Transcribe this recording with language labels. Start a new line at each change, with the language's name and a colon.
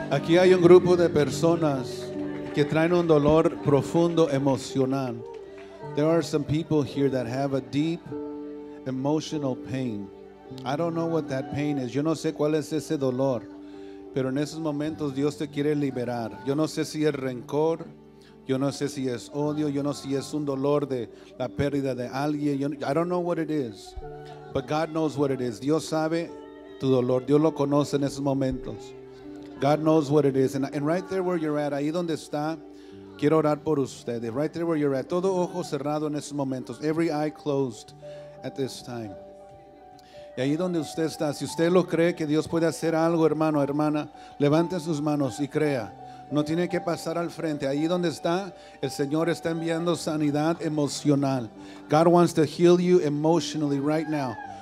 Spanish: Aquí hay un grupo de personas que traen un dolor profundo emocional.
English: There are some people here that have a deep emotional pain. I don't know what that pain is.
Spanish: Yo no sé cuál es ese dolor. Pero en esos momentos Dios te quiere liberar. Yo no sé si es rencor. Yo no sé si es odio. Yo no sé si es un dolor de la pérdida de alguien.
English: I don't know what it is. But God knows what it is.
Spanish: Dios sabe tu dolor. Dios lo conoce en esos momentos.
English: God knows what it is. And right there where you're at,
Spanish: ahí donde está, quiero orar por ustedes.
English: Right there where you're at.
Spanish: Todo ojo cerrado en esos momentos.
English: Every eye closed at this time.
Spanish: Y ahí donde usted está, si usted lo cree que Dios puede hacer algo, hermano, hermana, levante sus manos y crea. No tiene que pasar al frente. Ahí donde está, el Señor está enviando sanidad emocional.
English: God wants to heal you emotionally right now.